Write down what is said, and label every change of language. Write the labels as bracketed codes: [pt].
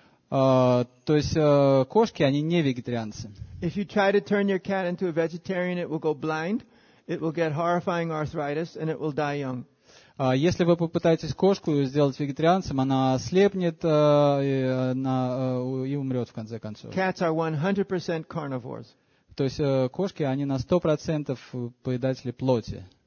[ru] То есть кошки они не вегетарианцы. [en] If you try to turn your cat into a vegetarian, it will go blind. It will get horrifying arthritis and it will die young. [ru] Если вы попытаетесь кошку сделать вегетарианцем, она ослепнет и умрет в конце концов. [en] Cats are 100% carnivores. [ru] То есть кошки, они на 100% поедатели плоти.